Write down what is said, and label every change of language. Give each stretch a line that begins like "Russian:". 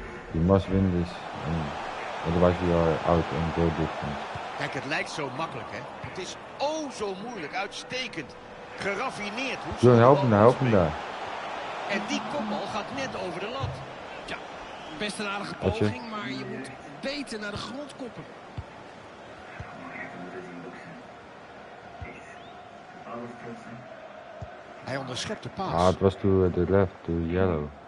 English: You must win this, otherwise you are out on goal difference.
Dutch: Kijk, het lijkt zo makkelijk, hè? Het is oh zo moeilijk, uitstekend, geraffineerd. John, help hem daar. En die kopbal gaat net over de lat. Ja, best een aardige poging, maar je moet beter naar de grond koppen. Hij onderschept de paas.
English: Ah,
Dutch: het was
English: to the left, to yellow.